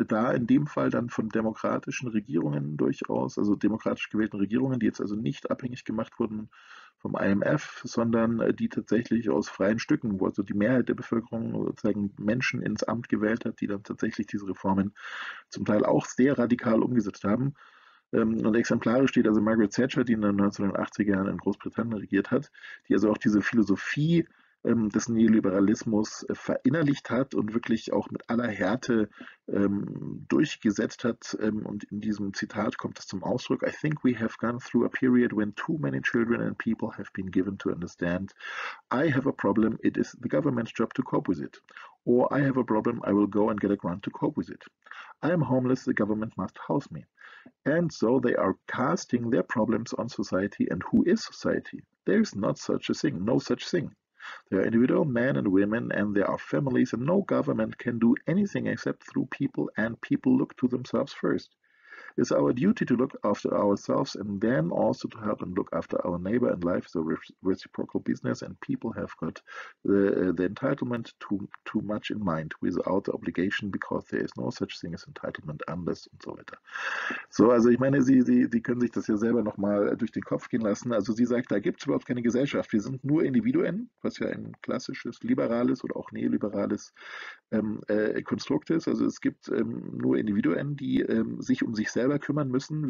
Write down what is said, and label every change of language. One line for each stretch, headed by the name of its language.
German: Da in dem Fall dann von demokratischen Regierungen durchaus, also demokratisch gewählten Regierungen, die jetzt also nicht abhängig gemacht wurden vom IMF, sondern die tatsächlich aus freien Stücken, wo also die Mehrheit der Bevölkerung sozusagen Menschen ins Amt gewählt hat, die dann tatsächlich diese Reformen zum Teil auch sehr radikal umgesetzt haben. Und exemplarisch steht also Margaret Thatcher, die in den 1980er Jahren in Großbritannien regiert hat, die also auch diese Philosophie des Neoliberalismus verinnerlicht hat und wirklich auch mit aller Härte durchgesetzt hat. Und in diesem Zitat kommt es zum Ausdruck:
English: I think we have gone through a period when too many children and people have been given to understand, I have a problem, it is the government's job to cope with it. Or I have a problem, I will go and get a grant to cope with it. I am homeless, the government must house me. And so they are casting their problems on society, and who is society? There is not such a thing, no such thing. They are individual men and women, and they are families, and no government can do anything except through people, and people look to themselves first. It's our duty to look after ourselves and then also to help and look after our neighbor, and life is a reciprocal business, and people have got the entitlement too much in mind without the obligation, because there is no such thing as entitlement unless
German: und so weiter. So, also ich meine, Sie können sich das ja selber nochmal durch den Kopf gehen lassen. Also sie sagt, da gibt es überhaupt keine Gesellschaft. Wir sind nur Individuen, was ja ein klassisches liberales oder auch neoliberales Konstrukt ist. Also es gibt nur Individuen, die sich um sich selber kümmern müssen.